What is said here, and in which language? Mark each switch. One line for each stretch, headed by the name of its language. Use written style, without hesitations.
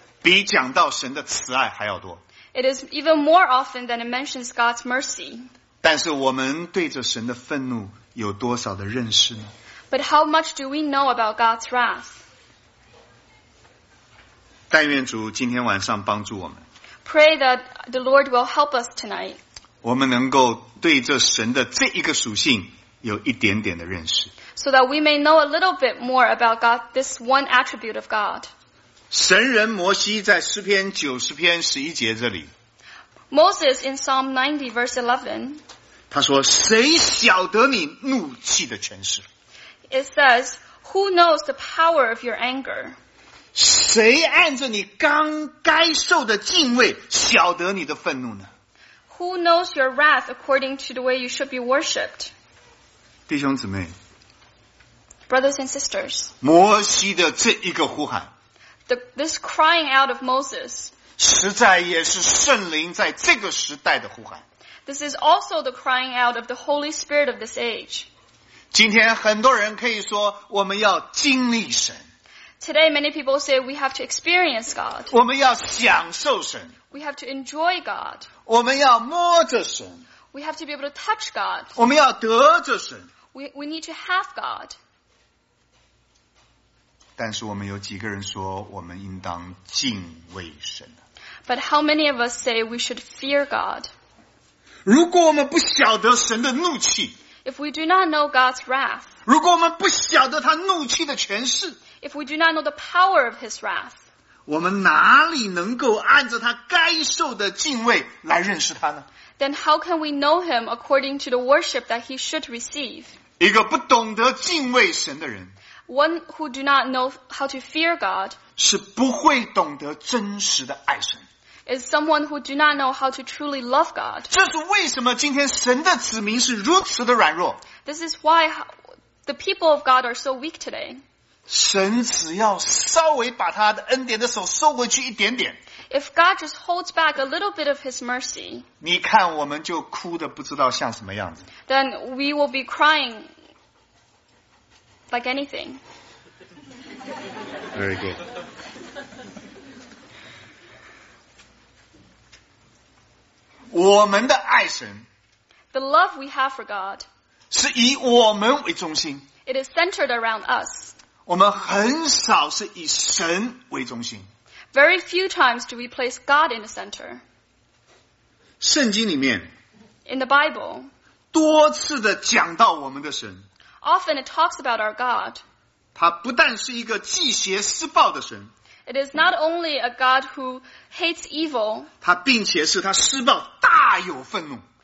Chinese: 比讲到神的慈爱还要多。
English: It is even more often than it mentions God's mercy.
Chinese: 但是我们对着神的愤怒有多少的认识呢
English: ？But how much do we know about God's wrath?
Chinese: 但愿主今天晚上帮助我们。
English: Pray that the Lord will help us tonight.
Chinese: 我们能够对这神的这一个属性有一点点的认识。
English: So that we may know a little bit more about God, this one attribute of God.
Chinese: 神人摩西在诗篇九十篇十一节这里。
English: Moses in Psalm 90 verse 11.
Chinese: 他说：“谁晓得你怒气的权势？”
English: It says, "Who knows the power of your anger?"
Chinese: 谁按着你刚该受的敬畏晓得你的愤怒呢
English: ？Who knows your wrath according to the way you should be worshipped？
Chinese: 弟兄姊妹
English: ，Brothers and sisters，
Chinese: 摩西的这一个呼喊
English: ，This crying out of Moses，
Chinese: 实在也是圣灵在这个时代的呼喊。
English: This is also the crying out of the Holy Spirit of this age.
Chinese: 今天很多人可以说我们要经历神。
English: Today many people say we have to experience God.
Chinese: 我们要享受神。
English: We have to enjoy God.
Chinese: 我们要摸着神。
English: We have to be able to touch God.
Chinese: 我们要得着神。
English: We need to have God.
Chinese: 但是我们有几个人说我们应当敬畏神。
English: But how many of us say we should fear God?
Chinese: 如果我们不晓得神的怒气，
English: If we do not know God's wrath,
Chinese: 如果我们不晓得他怒气的权势，
English: If we do not know the power of his wrath,
Chinese: 我们哪里能够按照他该受的敬畏来认识他呢？
English: Then how can we know him according to the worship that he should receive?
Chinese: 一个不懂得敬畏神的人，
English: One who do not know how to fear God
Chinese: 是不会懂得真实的爱神，
English: is someone who do not know how to truly love God.
Chinese: 这是为什么今天神的子民是如此的软弱。
English: This is why the people of God are so weak today.
Chinese: 神只要稍微把他的恩典的手收回去一点点，
English: If God just holds back a little bit of His mercy,
Chinese: 你看我们就哭得不知道像什么样子。
English: Then we will be crying like anything. Very good.
Chinese: 我们的爱神，
English: The love we have for God,
Chinese: 是以我们为中心。
English: It is centered around us.
Chinese: 我们很少是以神为中心。
English: Very few times do we place God in the center.
Chinese: 圣经里面，
English: In the Bible,
Chinese: 多次的讲到我们的神。
English: Often it talks about our God.
Chinese: 他不但是一个忌邪施暴的神。
English: It is not only a God who hates evil.
Chinese: 他并且是他施暴大有愤怒。